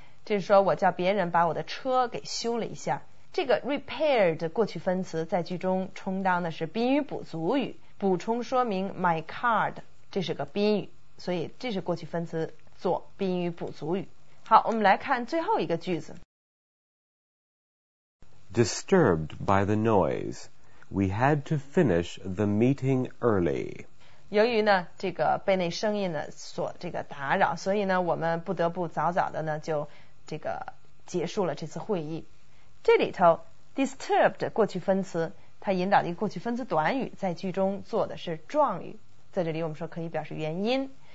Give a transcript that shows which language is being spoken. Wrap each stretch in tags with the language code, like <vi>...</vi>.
<zh>这是说我叫别人把我的车给修了一下。这个 repaired 过去分词在句中充当的是宾语补足语，补充说明 my car 的，这是个宾语，所以这是过去分词做宾语补足语。好，我们来看最后一个句子。</zh> <en>Disturbed by the noise, we had to finish the meeting early.</en> <zh>由于呢这个被那声音呢所这个打扰，所以呢我们不得不早早的呢就这个结束了这次会议。这里头 disturbed 过去分词它引导的一个过去分词短语在句中做的是状语，在这里我们说可以表示原因。</zh>